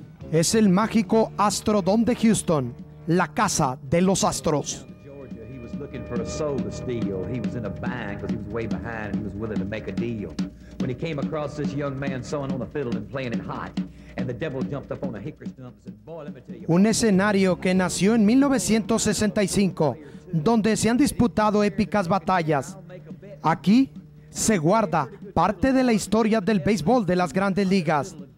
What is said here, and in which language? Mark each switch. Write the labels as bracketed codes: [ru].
[es] Es el mágico Astrodome de Houston, la casa de los Astros. [en] Looking for a soul to steal. He was in a bind because he was way behind and he was willing to make a deal. When he came across this young man sewing on a fiddle and playing it hot, and the devil jumped up on a hickory stump and said, boy, let me tell you. [es] Un escenario que nació en 1965, donde se han disputado épicas batallas. Aquí se guarda parte de la historia del béisbol de las grandes ligas.